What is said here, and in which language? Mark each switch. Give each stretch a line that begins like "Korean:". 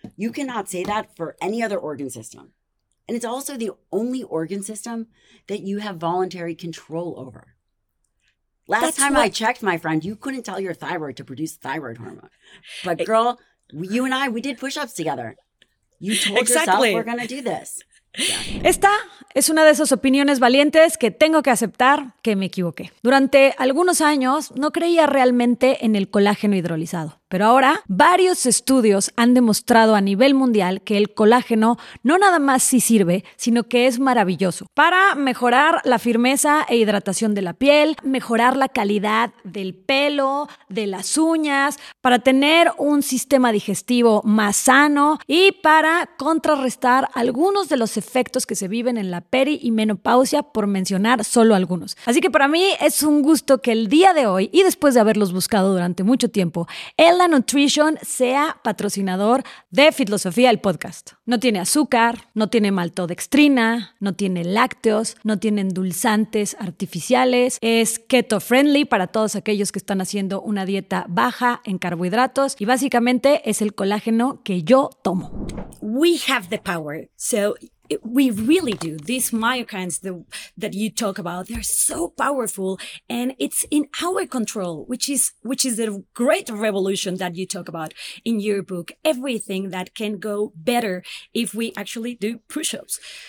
English: You cannot say that for any other organ system. And it's also the only organ system that you have voluntary control over. I checked, my friend, you couldn't tell your thyroid to produce thyroid hormone. But girl, you and I, we did push-ups together. You told yourself we're going to do this. Yeah.
Spanish: Esta es una de esas opiniones valientes que tengo que aceptar que me equivoqué. Durante algunos años no creía realmente en el colágeno hidrolizado, pero ahora varios estudios han demostrado a nivel mundial que el colágeno no nada más sí sirve, sino que es maravilloso para mejorar la firmeza e hidratación de la piel, mejorar la calidad del pelo, de las uñas, para tener un sistema digestivo más sano y para contrarrestar algunos de los efectos que se viven en la peri y menopausia, por mencionar solo algunos. Así que para mí es un gusto que el día de hoy, y después de haberlos buscado durante mucho tiempo, Ella Nutrition sea patrocinador de Fitlosofía, el podcast. No tiene azúcar, no tiene maltodextrina, no tiene lácteos, no tiene endulzantes artificiales, es keto friendly para todos aquellos que están haciendo una dieta baja en carbohidratos y básicamente es el colágeno que yo tomo.
English: We have the power, we really do. These myokines that you talk about, they're so powerful and it's in our control, which is the great revolution that you talk about in your book. Everything that can go better if we actually do push-ups.